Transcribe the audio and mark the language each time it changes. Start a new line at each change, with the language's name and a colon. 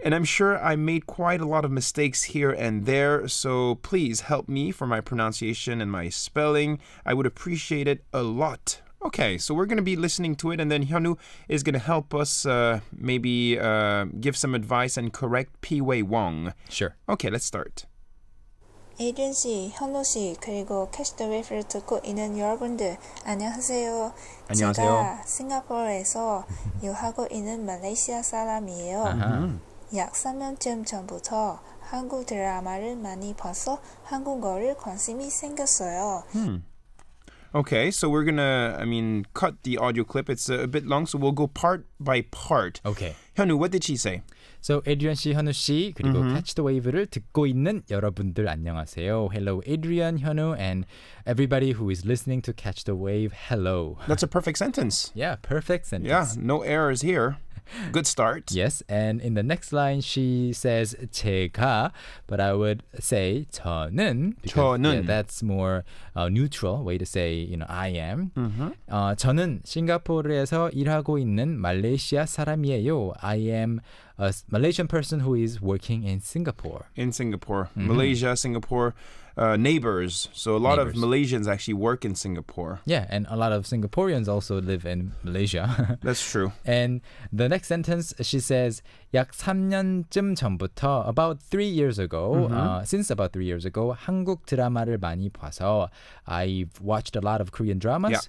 English: And I'm sure I made quite a lot of mistakes here and there, so please help me for my pronunciation and my spelling. I would appreciate it a lot. Okay, so we're going to be listening to it, and then Hyunwoo is going to help us maybe give some advice and correct Piwei Wong. Sure. Okay, let's start.
Korean: 에이든 씨, 현우 씨, 그리고 캐시 더 웨이프를 듣고 있는 여러분들 안녕하세요. 안녕하세요. 제가 싱가포르에서 유학하고 있는 말레이시아 사람이에요. 약 3년쯤 전부터 한국 드라마를 많이 봐서 한국어를 관심이 생겼어요.
English: Okay, so we're gonna, cut the audio clip. It's a bit long, so we'll go part by part. Okay. Hyunwoo, what did she say?
Korean: So, Adrian 씨, 현우 씨, 그리고 Catch the Wave를 듣고 있는 여러분들 안녕하세요.
English: Hello, Adrian, Hyunwoo, and everybody who is listening to Catch the Wave, hello. That's a perfect sentence. Yeah, perfect sentence. Yeah, no errors here. Good start. Yes, and in the next line, she says 제가, but I would say 저는.
Korean: 저는.
English: Yeah, that's more neutral way to say, I am. Mm-hmm.
Korean: 저는 싱가포르에서 일하고 있는 말레이시아 사람이에요.
English: I am a Malaysian person who is working in Singapore. In Singapore. Mm-hmm. Malaysia, Singapore. Neighbors. So a lot neighbors. Of Malaysians actually work in Singapore. Yeah, and a lot of Singaporeans also live in Malaysia. That's true. And the next sentence, she says,
Korean: 약 3년쯤 전부터,
English: about 3 years ago, since about 3 years ago,
Korean: 한국 드라마를 많이 봐서,
English: I've watched a lot of Korean dramas.